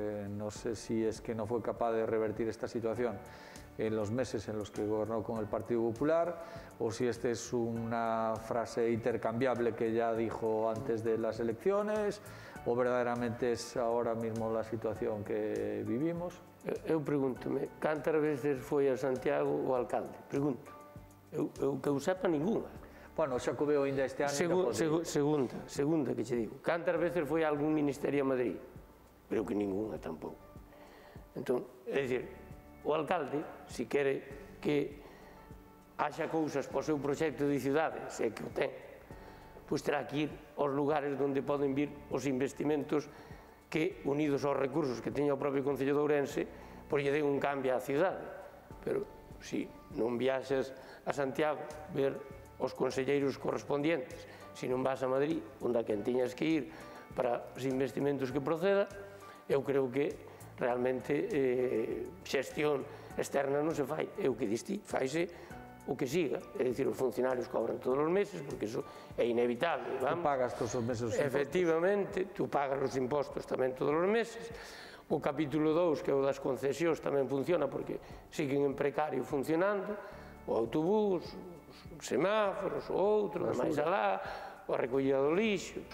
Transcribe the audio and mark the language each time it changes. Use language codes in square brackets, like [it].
[es] No sé si es que no fue capaz de revertir esta situación en los meses en los que gobernó con el Partido Popular, o si esta es una frase intercambiable que ya dijo antes de las elecciones, o verdaderamente es ahora mismo la situación que vivimos. [gl] Eu pregúntome, ¿cantas veces foi a Santiago o alcalde? Pregunto. Eu que eu sepa, ninguna. Bueno, xa que veo ainda este ano... Segunda que che digo. ¿Cantas veces foi a algún ministerio a Madrid? Creo que ninguna tampouco. Entón, é dicir, o alcalde, se quere que haxa cousas para o seu proxecto de cidade, se é que o ten, pois terá que ir aos lugares onde poden vir os investimentos que, unidos aos recursos que teña o propio Concello de Ourense, pois lle den un cambio á cidade. Pero se non viaxas a Santiago ver os conselleiros correspondientes, se non vas a Madrid, onde a quen tiñas que ir para os investimentos que proceda, eu creo que realmente xestión externa non se fai. É o que diste, faise o que siga. É dicir, os funcionarios cobran todos os meses, porque iso é inevitable. Vamos. Tu pagas todos os meses os impostos. Efectivamente, tu pagas os impostos tamén todos os meses. O capítulo 2, que é o das concesións, tamén funciona, porque siguen en precario funcionando. O autobús, os semáforos, o outro, máis alá, o recollida do lixo.